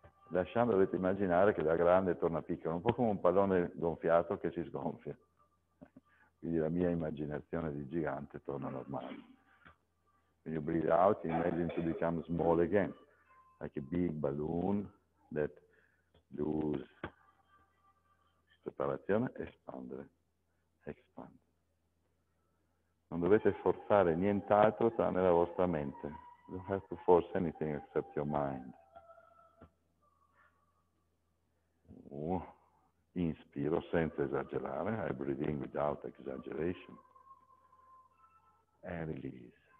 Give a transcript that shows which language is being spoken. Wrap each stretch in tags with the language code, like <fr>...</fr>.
<it>Lasciando, dovete immaginare che da grande torna piccolo, un po' come un pallone gonfiato che si sgonfia. Quindi la mia immaginazione di gigante torna normale.</it> <en>When you breathe out, imagine to become small again, like a big balloon that lose</en> <it>separazione, espandere,</it> <en>expand.</en> <it>Non dovete forzare nient'altro tranne la vostra mente.</it> <en>You don't have to force anything except your mind.</en> <it>Inspiro senza esagerare,</it> <en>I breathe in without exaggeration, and release.</en>